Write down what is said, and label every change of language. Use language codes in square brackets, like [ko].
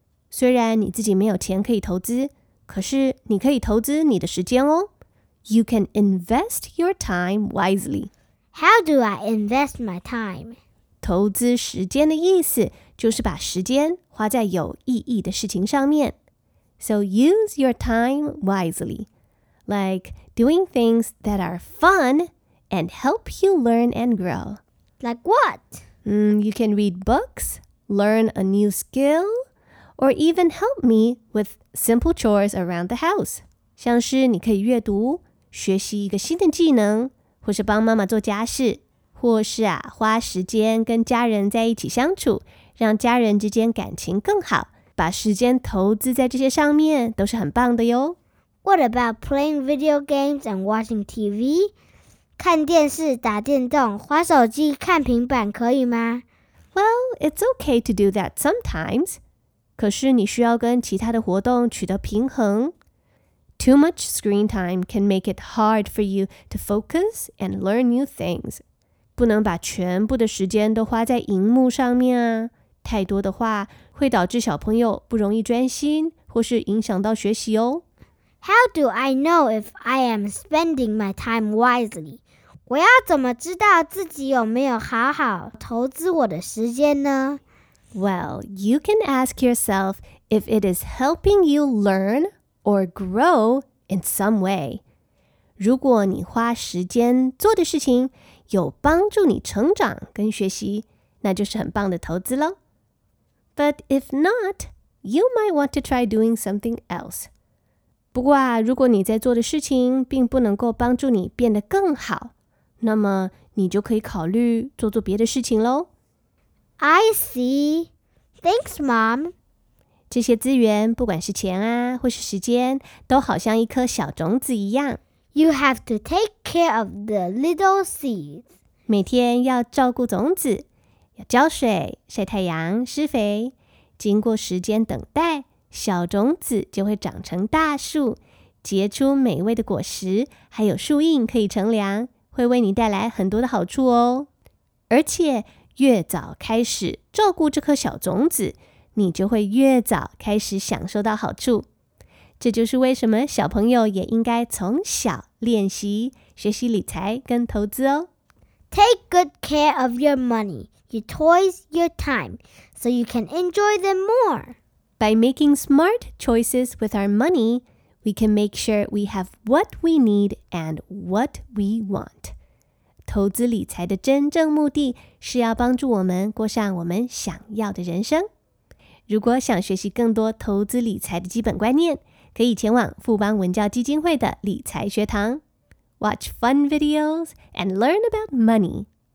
[zh] 虽然你自己没有钱可以投资，可是你可以投资你的时间哦。 [en] You can invest your time wisely. How do I invest my time? [zh] 投资时间的意思就是把时间花在有意义的事情上面。 [en] So use your time wisely, like doing things that are fun and help you learn and grow. Like what? You can read books, learn a new skill, or even help me with simple chores around the house. [zh] 像是你可以阅读，学习一个新的技能，或是帮妈妈做家事，或是啊，花时间跟家人在一起相处，让家人之间感情更好。把时间投资在这些上面都是很棒的哟。 [en] What about playing video games and watching TV? [zh] 看电视、打电动、滑手机、看平板可以吗？ [en] Well, it's okay to do that sometimes. [zh] 可是你需要跟其他的活动取得平衡。 [en] Too much screen time can make it hard for you to focus and learn new things. [zh] 不能把全部的时间都花在荧幕上面啊。太多的话会导致小朋友不容易专心，或是影响到学习哦。 [en] How do I know if I am spending my time wisely? [zh] 我要怎么知道自己有没有好好投资我的时间呢？ [en] Well, you can ask yourself if it is helping you learn or grow in some way. [zh] 如果你花时间做的事情有帮助你成长跟学习，那就是很棒的投资了。 [en] But if not, you might want to try doing something else. [zh] 不过啊，如果你在做的事情并不能够帮助你变得更好，那么你就可以考虑做做别的事情咯。 [en] I see. Thanks, Mom. [zh] 这些资源，不管是钱啊，或是时间，都好像一颗小种子一样。 [en] You have to take care of the little seeds. [zh] 每天要照顾种子，要浇水、晒太阳、施肥。经过时间等待，小种子就会长成大树，结出美味的果实，还有树荫可以乘凉，会为你带来很多的好处哦。而且越早开始照顾这颗小种子，你就会越早开始享受到好处。这就是为什么小朋友也应该从小练习学习理财跟投资哦。 [en] Take good care of your money, your toys, your time, so you can enjoy them more. By making smart choices with our money, we can make sure we have what we need and what we want. [zh] 投资理财的真正目的是要帮助我们过上我们想要的人生。如果想学习更多投资理财的基本观念，可以前往富邦文教基金会的理财学堂。 [en] Watch fun videos and learn about money.